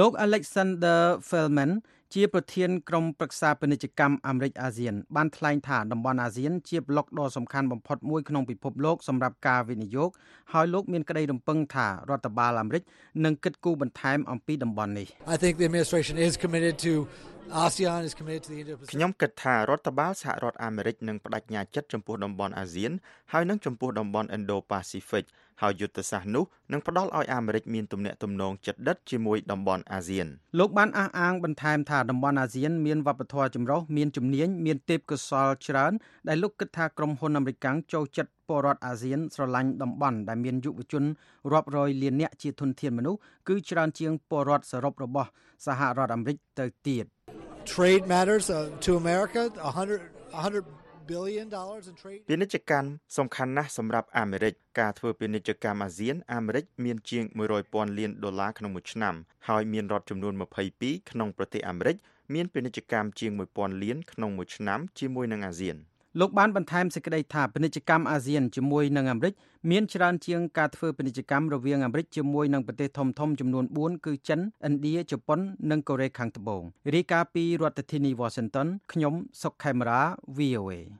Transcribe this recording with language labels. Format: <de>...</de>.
<km>លោក Alexander Feldman ជាប្រធានក្រុមប្រឹក្សាពាណិជ្ជកម្មអាមេរិកអាស៊ានបានថ្លែងថាតំបន់អាស៊ានជាប្លុកដ៏សំខាន់បំផុតមួយក្នុងពិភពលោកសម្រាប់ការវិនិយោគហើយលោកមានក្តីរំពឹងថារដ្ឋបាលអាមេរិកនឹងគិតគូរបន្ថែមអំពីតំបន់នេះ</km> <en>I think the administration is committed to ASEAN is committed to the Indo-Pacific</en> <km>ខ្ញុំគិតថារដ្ឋបាលសហរដ្ឋអាមេរិកនឹងបដិញ្ញាចិត្តចំពោះតំបន់អាស៊ានហើយនឹងចំពោះតំបន់ Indo-Pacific ហើយយុទ្ធសាស្ត្រនោះនឹងផ្ដល់ឲ្យអាមេរិកមានទំនាក់ទំនងជិតដិតជាមួយតំបន់អាស៊ាន លោកបានអះអាងបន្ថែមថាតំបន់អាស៊ានមានវប្បធម៌ចម្រុះមានជំនាញមានទេពកោសល្យច្រើនដែលលោកគិតថាក្រុមហ៊ុនអាមេរិកចូលចិត្តពលរដ្ឋអាស៊ានស្រឡាញ់តំបន់ដែលមានយុវជនរាប់រយលាននាក់ជាធនធានមនុស្សគឺច្រើនជាងពលរដ្ឋសរុបរបស់សហរដ្ឋអាមេរិកទៅទៀត</km> <en>Trade matters to America 100 billion dollars in trade</en> <km>ពាណិជ្ជកម្មសំខាន់ណាស់សម្រាប់អាមេរិកការធ្វើពាណិជ្ជកម្មអាស៊ានអាមេរិកមានជាង100ពាន់លានដុល្លារក្នុងមួយឆ្នាំហើយមានរដ្ឋចំនួន22ក្នុងប្រទេសអាមេរិកមានពាណិជ្ជកម្មជាង1ពាន់លានក្នុងមួយឆ្នាំជាមួយនឹងអាស៊ាន លោកបានបន្ថែមសេចក្តីថាពាណិជ្ជកម្មអាស៊ានជាមួយនឹងអាមេរិកមានច្រើនជាងការធ្វើពាណិជ្ជកម្មរវាងអាមេរិកជាមួយនឹងប្រទេសធំៗចំនួន4គឺចិនឥណ្ឌាជប៉ុននិងកូរ៉េខាងត្បូងរាយការណ៍ពីរដ្ឋធានី Washington ខ្ញុំសុកខេមរា VOA</km>